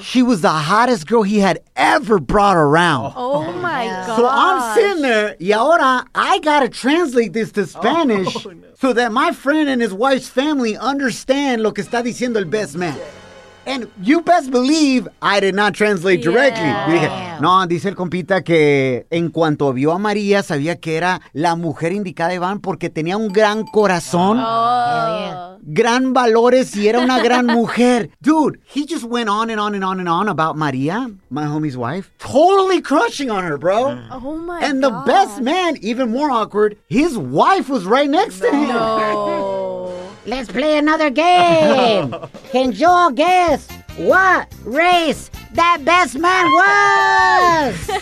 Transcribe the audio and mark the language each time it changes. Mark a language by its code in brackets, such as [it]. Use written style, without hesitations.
[en] She was the hottest girl he had ever brought around. Oh, my God. So I'm sitting there, y ahora, I got to translate this to Spanish so that my friend and his wife's family understand lo que está diciendo el best man. And you best believe I did not translate directly. Yeah. [es] No, dice el compita que en cuanto vio a María, sabía que era la mujer indicada, Iván, porque tenía un gran corazón, gran valores y era una gran mujer. [en] Dude, he just went on and on and on and on about María, my homie's wife. Totally crushing on her, bro. Oh, my God. And the best man, even more awkward, his wife was right next to him. Let's play another game. Can y'all guess what race that best man was?